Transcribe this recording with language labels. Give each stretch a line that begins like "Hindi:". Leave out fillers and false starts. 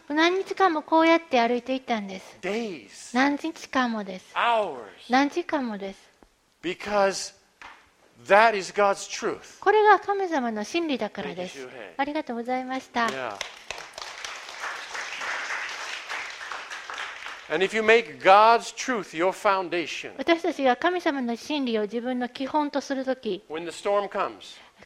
Japanese: 何日間もこうやって歩いていたんです。
English: Days.
Japanese: 何日間もです。
English: Hours.
Japanese: 何時間もです。
English: Because that is God's truth.
Japanese: これが神様の真理だからです。ありがとうございました。
English: And if you make God's truth your foundation.
Japanese: 私たちが神様の真理を自分の基本とするとき、
English: When the storm comes.